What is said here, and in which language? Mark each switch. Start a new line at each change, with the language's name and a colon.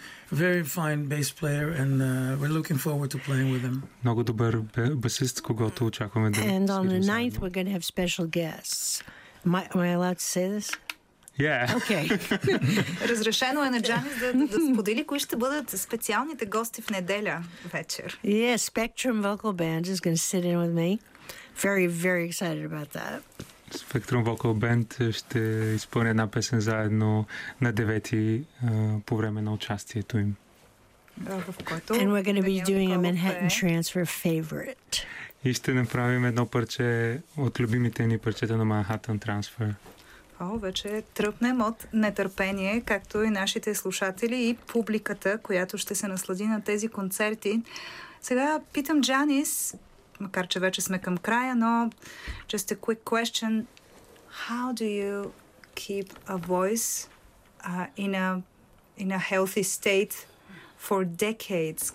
English: Very fine bass player, and we're looking forward to playing with him.
Bulgarian: Много добър басист, когото очакваме да.
English: And on the 9th, we're going to have special guests. Am I allowed to say this? Yeah. Okay.
Bulgarian: Разрешено е на Джанис да сподели кои ще бъдат специалните гости в неделя вечер.
English: Yeah, Spectrum Vocal Band is going to sit in with me. Very, very excited about that.
Bulgarian: Spectrum Vocal Band ще изпълни една песен заедно на 9-ти по време на участието им.
English: And we're going to be doing a Manhattan Transfer favorite.
Bulgarian: И ще направим едно парче от любимите ни парчета на Manhattan Transfer. О, вече тръпнем от нетърпение, както и нашите слушатели и публиката, която ще се наслади на тези концерти. Сега питам Джанис, макар че вече сме към края, но
English: just a quick question. How do you keep a voice in a healthy state for decades?